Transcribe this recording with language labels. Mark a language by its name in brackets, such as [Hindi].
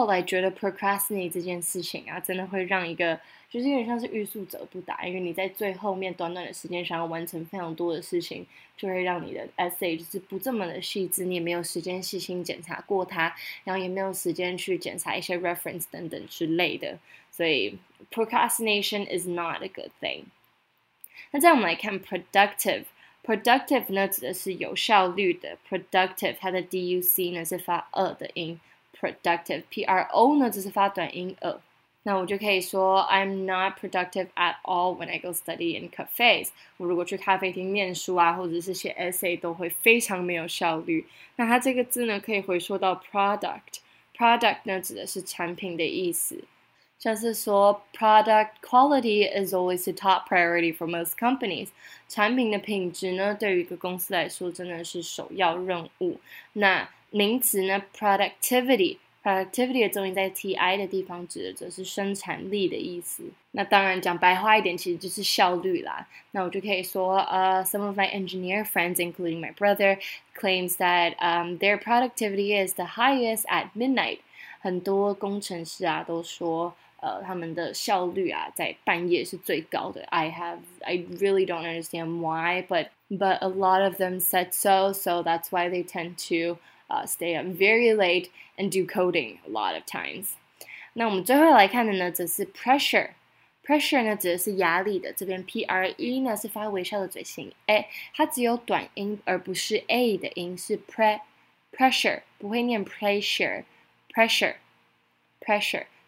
[Chinese] 但是后来觉得procrastinate这件事情啊, 真的会让一个, 就是有点像是欲速则不达, 因为你在最后面短短的时间, 想要完成非常多的事情, 就会让你的essay就是不这么的细致, 你也没有时间细心检查过它, 然后也没有时间去检查一些reference等等之类的, 所以 [English] procrastination is not a good thing. [Chinese] 那再我们来看productive, productive呢, 指的是有效率的, productive, 它的duc呢, 是发二的音, productive, PRO呢, 只是发短音呃。那我就可以说, [English] I'm not productive at all when I go study in cafes. [Chinese] 我如果去咖啡厅念书啊, 或者是写essay, 都会非常没有效率。那它这个字呢, 可以回溯到product, product呢, 指的是产品的意思。像是说, [English] product quality is always the top priority for most companies. [Chinese] 产品的品质呢, 对于一个公司来说, 真的是首要任务。那名词呢, productivity, productivity的重音在TI的地方, 指的则是生产力的意思。那当然讲白话一点, 其实就是效率啦。那我就可以说, [English] some of my engineer friends, including my brother, claims that their productivity is the highest at midnight. [Chinese] 很多工程师啊, 都说, 他们的效率啊, 在半夜是最高的。 [English] I really don't understand why, but a lot of them said so, so that's why they tend to stay up very late and do coding a lot of times. [Chinese] 那我们最后来看的呢, 则是pressure. Pressure呢, 则是压力的, 这边PRE呢, 是发微笑的嘴型A, 它只有短音, 而不是A的音, 是pre, pressure, 不会念pressure, pressure, pressure.